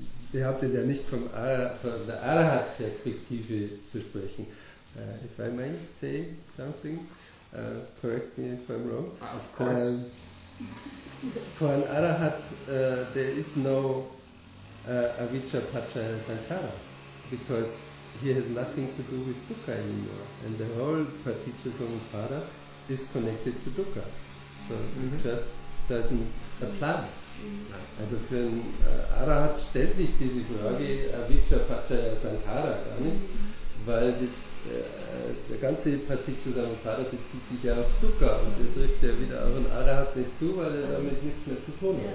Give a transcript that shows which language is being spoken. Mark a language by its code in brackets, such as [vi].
[de] Behauptet ja nicht vom von der Arahat Perspektive zu sprechen. [en] If I may say something, correct me if I'm wrong. Of course. For an Arahat, there is no avijja, paccaya, sankhara, because he has nothing to do with dukkha anymore, and the whole paticca samuppada is connected to dukkha, so mm-hmm. it just doesn't apply. Mm-hmm. [de] Also für einen Arahat stellt sich diese Frage avijja, paccaya, sankhara gar nicht, mm-hmm. weil das, der ganze paticca samuppada bezieht sich ja auf dukkha, und der trifft ja wieder auf einen Arahat nicht zu, weil er damit nichts mehr zu tun hat.